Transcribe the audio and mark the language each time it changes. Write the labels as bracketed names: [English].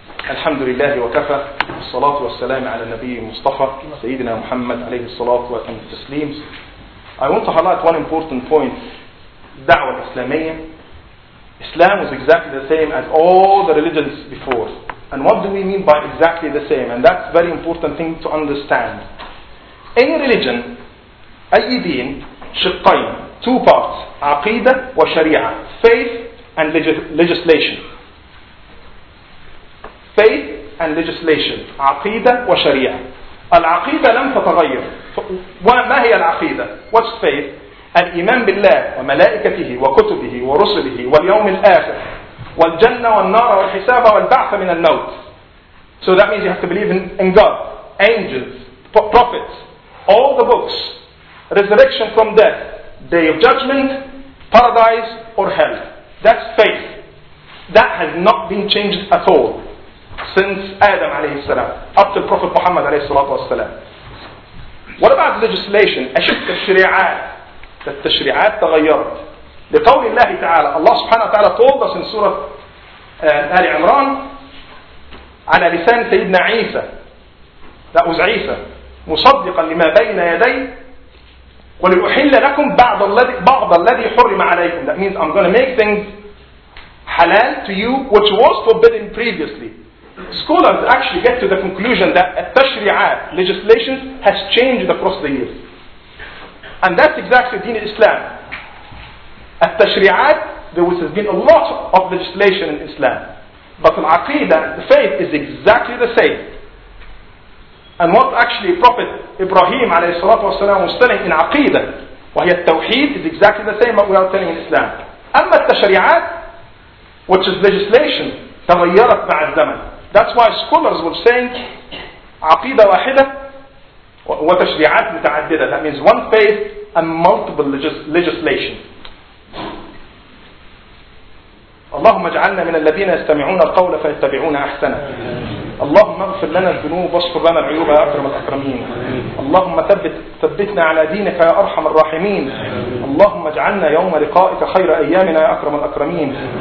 [Arabic] الحمد لله وكفى والصلاة والسلام على النبي المصطفى سيدنا محمد عليه الصلاة والسلام التسليم. [English] I want to highlight one important point. [Arabic] دعوة الإسلامية. [English] Islam is exactly the same as all the religions before. And what do we mean by exactly the same? And that's a very important thing to understand. Any religion, [Arabic] أي دين, شقين, [English] two parts, [Arabic] عقيدة وشريعة, [English] faith and legislation. Faith and legislation, [Arabic] عقيدة وشريعة. العقيدة لم تتغير. ما هي العقيدة? [English] What's faith? [Arabic] الإيمان بالله وملائكته وكتبه ورسله واليوم الآخر والجنة والنار والحساب والبعث من الموت. [English] So that means you have to believe in God, angels, prophets, all the books, resurrection from death, day of judgment, paradise or hell. That's faith. That has not been changed at all since Adam عليه السلام up to Prophet Muhammad [Arabic] عليه الصلاة والسلام. [English] What about legislation? [Arabic] أشك الشريعة. التشريعات تغيرت لقول الله تعالى. الله سبحانه وتعالى [English] told us in [Arabic] سورة آل عمران على لسان سيدنا عيسى, [English] that was [Arabic] عيسى, مصدقا لما بين يدي ولأحل لكم بعض الذي حرم عليكم. [English] That means I'm going to make things halal to you which was forbidden previously. Scholars actually get to the conclusion that التشريعات legislation has changed across the years. And that's exactly Deen Islam. At-tashri'at, there has been a lot of legislation in Islam. But al-aqidah, the faith, is exactly the same. And what actually Prophet Ibrahim alayhi salatu wasalam was telling in aqidah, [Arabic] وَهِيَ التَّوْحِيدِ, [English] is exactly the same what we are telling in Islam. [Arabic] أَمَّا التَّشْرِعَات, [English] which is legislation, [Arabic] تَغَيَّرَتْ بَعَدْ زَمَن. [English] That's why scholars were saying, [Arabic] عَقِيدَ وَاحِدَة, وتشريعات متعددة. [English] That means one faith and multiple legislation. [Arabic] اللهم اجعلنا من الذين يستمعون القول فيتبعون أحسنه. اللهم اغفر لنا الذنوب واصفر لنا العيوب يا أكرم الأكرمين. اللهم ثبتنا على دينك يا أرحم الراحمين. اللهم اجعلنا يوم لقائك خير أيامنا يا أكرم الأكرمين.